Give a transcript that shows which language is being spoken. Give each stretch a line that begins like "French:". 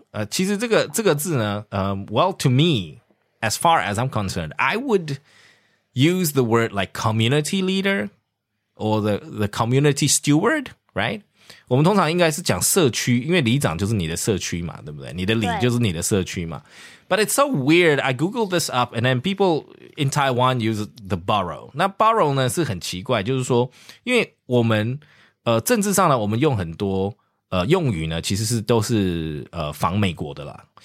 Chinese: 其实这个字呢，
English: well, to me, as far as I'm concerned, I would use the word like community leader or the community steward, right?
Chinese: 我们通常应该是讲社区，因为里长就是你的社区嘛，对不对？你的里就是你的社区嘛。
English: But it's so weird. I googled this up, and then people in Taiwan use the borough.
Chinese: 那 borough 呢是很奇怪，就是说，因为我们政治上呢，我们用很多用语呢，其实是都是仿美国的啦。